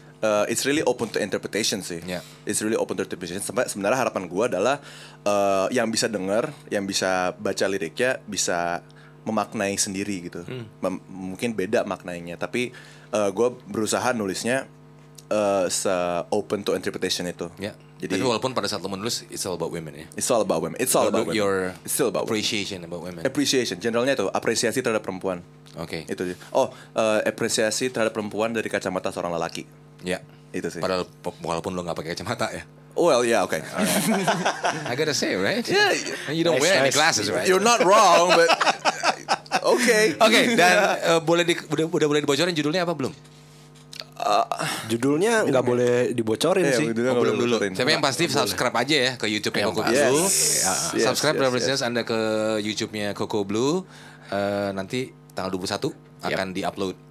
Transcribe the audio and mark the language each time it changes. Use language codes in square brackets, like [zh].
[en] It's really open to interpretation sih. Yeah. It's really open to interpretation. [id] Sebenarnya harapan gue adalah yang bisa denger, yang bisa baca liriknya bisa memaknai sendiri gitu, mungkin beda maknainya. Tapi gue berusaha nulisnya se [en] open to interpretation [id] itu. [en] Yeah. [id] Jadi tapi walaupun pada saat lo menulis [en] it's all about women [id] ya. [en] It's all about women. It's all about women. Your it's still about appreciation women. About women. Appreciation. [id] Generalnya itu apresiasi terhadap perempuan. Oke. [en] Okay. [id] Itu. Oh, apresiasi terhadap perempuan dari kacamata seorang lelaki. Ya. [en] Yeah. [id] Itu sih. Padahal walaupun lo nggak pakai kacamata ya. [en] Well, yeah, okay. I gotta say, right? Yeah. You don't wear any glasses, right? You're not wrong, but okay. Okay. [id] Dan boleh di, udah boleh dibocorin judulnya apa belum? Judulnya nggak boleh dibocorin sih. Oh, belum dulu. Tapi yang pasti subscribe aja ya ke YouTube-nya Coco Blue. Yes. Subscribe dan berikan Anda ke YouTube-nya Coco Blue. Nanti tanggal 21 akan diupload.